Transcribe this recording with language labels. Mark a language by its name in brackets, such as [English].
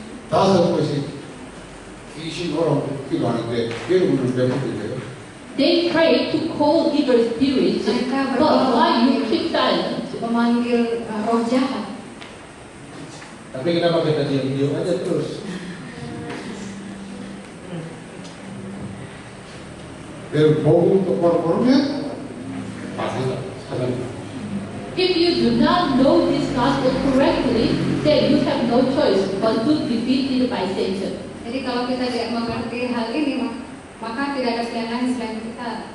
[Korean] 다섯 번씩 귀신 오라고 기도하는데 여러분은 왜 못해요? [English] They pray to call evil spirits, but why you keep silent? [Indonesian] memanggil roh jahat. Tapi kenapa kita diam-diam aja terus? Berbohong untuk orang-orangnya? [English] If you do not know this gospel correctly, then you have no choice but to be defeated by Satan. [Indonesian] Jadi kalau kita tidak mengerti hal ini, maka tidak ada pilihan lain selain kita